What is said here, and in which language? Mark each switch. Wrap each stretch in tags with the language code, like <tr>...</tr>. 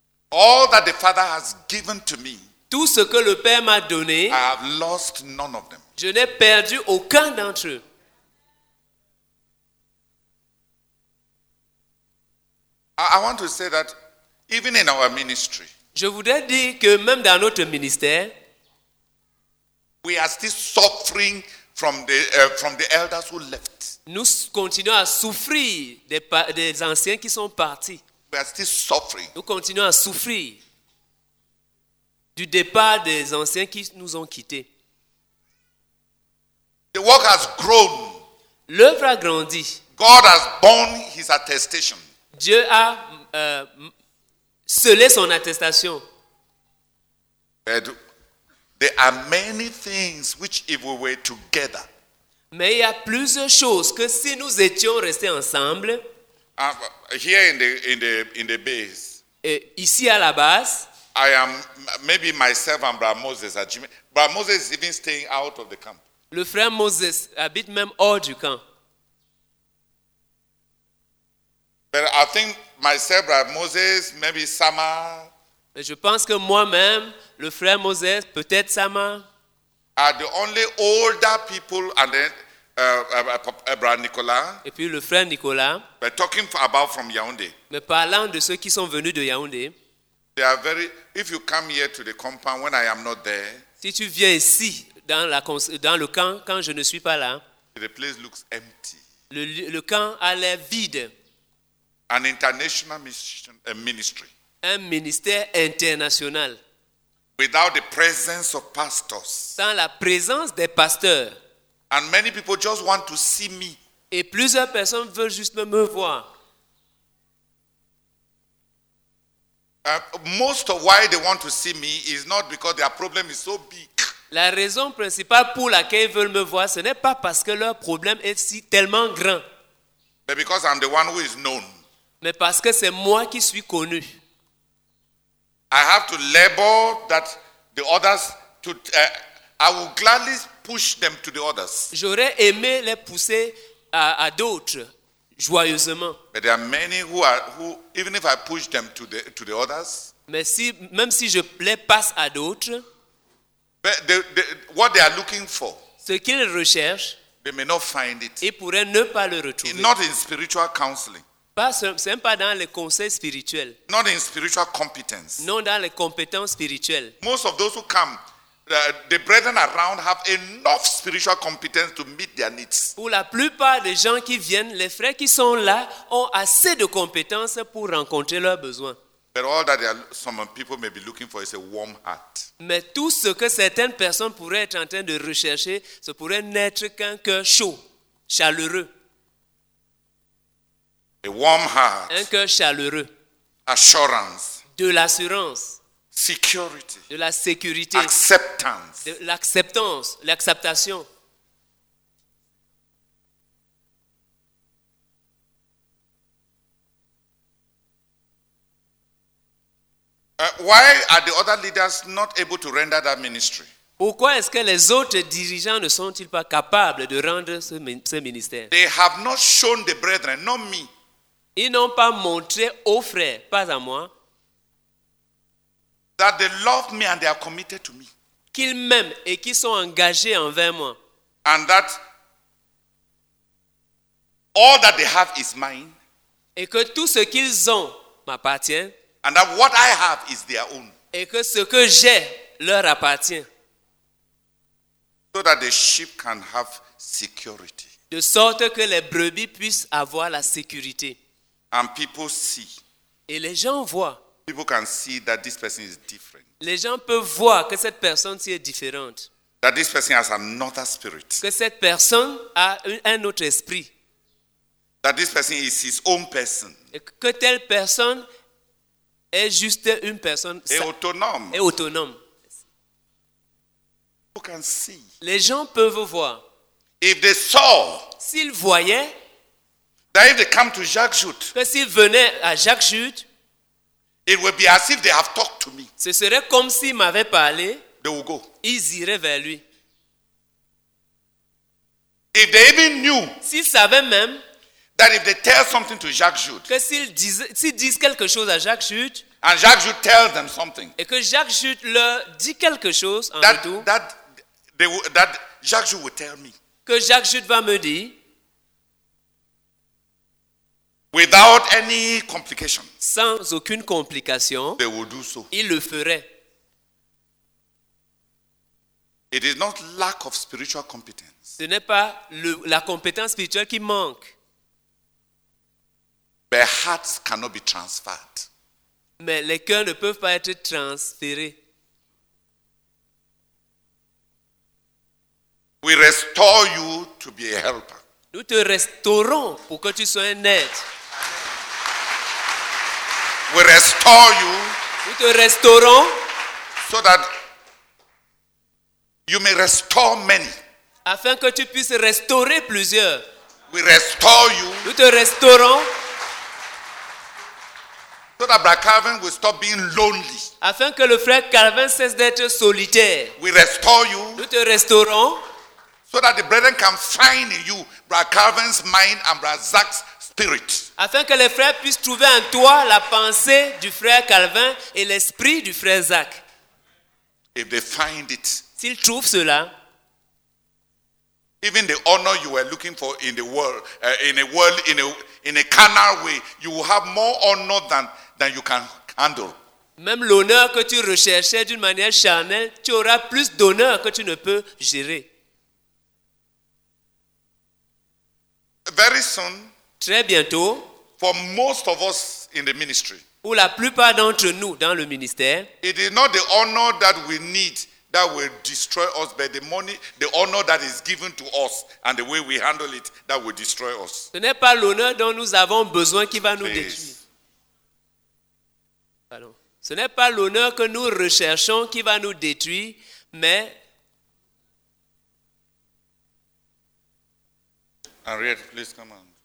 <en>all that the Father has given to me,</en> <fr>tout ce que le Père m'a donné,</fr> <en>I have lost none of them.</en> <fr>Je n'ai perdu aucun d'entre eux.</fr> <en>I want to say that even in our ministry,</en> <fr>je voudrais dire que même dans notre ministère,</fr> <en>we are still suffering from the elders who left.</en> <fr>Nous continuons à souffrir des anciens qui sont partis.</fr> <en>We are still suffering.</en> <fr>Nous continuons à souffrir du départ des anciens qui nous ont quittés.</fr> <en>The work has grown.</en> <fr>L'œuvre a grandi.</fr> <en>God has borne his attestation.</en> <fr>Dieu a scellé son attestation.</fr> <en>There are many things which if we were together.</en> <fr>Mais il y a plusieurs choses que si nous étions restés ensemble.</fr> <en>Here in the base.</en> <fr>Ici à la base.</fr> <en>I am maybe myself and Brother Moses at Jimmy. Brother Moses is even staying out of the camp.</en> <fr>Le frère Moses habite même hors du camp.</fr> <en>But I think myself, Brother Moses, maybe Sama.</en> <fr>Je pense que moi-même, le frère Moses, peut-être Sama.</fr> <en>Are the only older people, and then Brother Nicolas.</en> <fr>Et puis le frère Nicolas.</fr> <en>But talking about from Yaoundé.</en> <fr>Mais parlant de ceux qui sont venus de Yaoundé.</fr> <en>They are very. If you come here to the compound when I am not there.</en> <fr>Si tu viens ici dans le camp quand je ne suis pas là.</fr> <en>The place looks empty.</en> <fr>Le camp a l'air vide.</fr> <en>An international mission, a ministry.</en> <fr>Un ministère international.</fr> <en>Without the presence of pastors.</en> <fr>Sans la présence des pasteurs.</fr> <en>And many people just want to see me.</en> <fr>Et plusieurs personnes veulent juste me voir.</fr> <en>Most of why they want to see me is not because their problem is so big.</en> <fr>La raison principale pour laquelle ils veulent me voir, ce n'est pas parce que leur problème est si tellement grand.</fr> <en>But because I'm the one who is known.</en> <fr>Mais parce que c'est moi qui suis connu.</fr> <en>I have to labor that the others to I will gladly push them to the others.</en> <fr>J'aurais aimé les pousser à d'autres joyeusement.</fr> <en>But there are many who even if I push them to the others.</en> <fr>Mais si même si je les passe à d'autres.</fr> <en>But the what they are looking for.</en> <fr>Ce qu'ils recherchent.</fr> <en>They may not find it.</en> <fr>Ils pourraient ne pas le retrouver.</fr> <en>Not in spiritual counseling.</en> <fr>Pas même pas dans les conseils spirituels.</fr> <en>Not in spiritual competence.</en> <fr>Non dans les compétences spirituelles.</fr> <en>Most of those who come, the brethren around have enough spiritual competence to meet their needs.</en> <fr>Pour la plupart des gens qui viennent, les frères qui sont là ont assez de compétences pour rencontrer leurs besoins.</fr> <en>But all that some people may be looking for is a warm heart.</en> <fr>Mais tout ce que certaines personnes pourraient être en train de rechercher, ce pourrait n'être qu'un cœur chaud, chaleureux.</fr> <en>A warm heart,</en> <fr>un cœur chaleureux,</fr> <en>assurance,</en> <fr>de l'assurance,</fr> <en>security,</en> <fr>de la sécurité,</fr> <en>acceptance,</en> <fr>de l'acceptance, l'acceptation.</fr> <en>Why are the other leaders not able to render that ministry?</en> <fr>Pourquoi est-ce que les autres dirigeants ne sont-ils pas capables de rendre ce ministère?</fr> <en>They have not shown the brethren, not me.</en> <fr>Ils n'ont pas montré aux frères, pas à moi,</fr> <en>that they love me and they are committed to me.</en> <fr>Qu'ils m'aiment et qu'ils sont engagés envers moi.</fr> <en>And that all that they have is mine.</en> <fr>Et que tout ce qu'ils ont m'appartient.</fr> <en>And that what I have is their own.</en> <fr>Et que ce que j'ai leur appartient.</fr> <en>So that the sheep can have security.</en> <fr>De sorte que les brebis puissent avoir la sécurité.</fr> <en>And people see.</en> <fr>Et les gens voient.</fr> <en>People can see that this person is different.</en> <fr>Les gens peuvent voir que cette personne-ci est différente.</fr> <en>That this person has another spirit.</en> <fr>Que cette personne a un autre esprit.</fr> <en>That this person is his own person.</en> <fr>Et que telle personne est juste une personne. Et autonome. Et autonome.</fr> <en>people can see.</en> <fr>Les gens peuvent voir.</fr> <en>If they saw,</en> <fr>s'ils voyaient,</fr> <en>that if they come to Jacques Jute,</en> <fr>que s'ils venaient à Jacques Jute,</fr> <en>it would be as if they have talked to me.</en> <fr>Ce serait comme s'ils m'avaient parlé.</fr> <en>They will go.</en> <fr>Ils iraient vers lui.</fr> <en>If they even knew,</en> <fr>s'ils savaient même,</fr> <en>that if they tell something to Jacques Jute,</en> <fr>que s'ils disent quelque chose à Jacques Jute,</fr> <en>and Jacques Jute tells them something,</en> <fr>et que Jacques Jute leur dit quelque chose en</fr> <en>that,</en> <fr>retour,</fr> <en>that, they will, that Jacques Jute will tell me,</en> <fr>que Jacques Jute va me dire,</fr> <en>without any complication,</en> <fr>sans aucune complication,</fr> <en>they will do so.</en> <fr>Ils le feraient.</fr> <en>It is not lack of spiritual competence.</en> <fr>Ce n'est pas la compétence spirituelle qui manque.</fr> <en>Their hearts cannot be transferred.</en> <fr>Mais les cœurs ne peuvent pas être transférés.</fr> <en>We restore you to be a helper.</en> <fr>Nous te restaurons pour que tu sois un aide.</fr> <en>We restore you.</en> <fr>Nous te restaurons.</fr> <en>So that you may restore many.</en> <fr>Afin que tu puisses restaurer plusieurs.</fr> <en>We restore you.</en> <fr>Nous te restaurons.</fr> <en>So that Brother Calvin will stop being lonely.</en> <fr>Afin que le frère Calvin cesse d'être solitaire.</fr> <en>We restore you.</en> <fr>Nous te restaurons.</fr> <en>So that the brethren can find in you Brother Calvin's mind and Brother Zach's spirit.</en> <fr>Afin que les frères puissent trouver en toi la pensée du frère Calvin et l'esprit du frère Zach.</fr> <en>If they find it.</en> <fr>S'ils trouvent cela.</fr> <en>Even the honor you were looking for in the world, in a carnal way, you will have more honor than you can handle.</en> <fr>Même l'honneur que tu recherchais d'une manière charnelle, tu auras plus d'honneur que tu ne peux gérer.</fr> <en>Very soon.</en> <fr>Très bientôt.</fr> <en>For most of us in the ministry.</en> <fr>Pour la plupart d'entre nous dans le ministère.</fr> <en>It is not the honor that we need that will destroy us, but the money, the honor that is given to us and the way we handle it, that will destroy us.</en> <fr>Ce n'est pas l'honneur dont nous avons besoin qui va nous détruire. Pardon. Ce n'est pas l'honneur que nous recherchons qui va nous détruire, mais...</fr> <en>Henriette, please come on.</en>